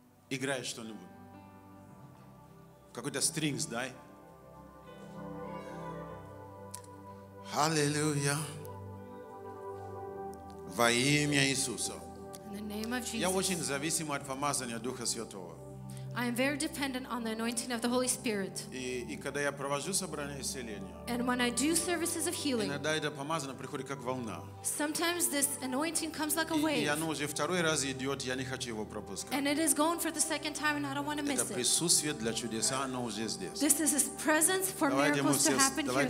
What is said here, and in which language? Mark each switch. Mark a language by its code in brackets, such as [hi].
[ru] Играешь что-нибудь. Какой-то strings, дай. Аллилуйя. Во имя Иисуса. [en] In the name of Jesus. [ru] Я очень зависим от помазания Духа Святого. [en] I am very dependent on the anointing of the Holy Spirit. [ru] И когда я провожу собрание исцеления, [en] And when I do services of healing, [ru] иногда это помазание приходит как волна. [en] Sometimes this anointing comes like a wave. [ru] И оно уже второй раз идет, я не хочу его пропускать. [en] And it is going for the second time, and I don't want to miss it. [ru] Это присутствие для чудеса, оно уже здесь. [en] This is His presence for miracles to happen here.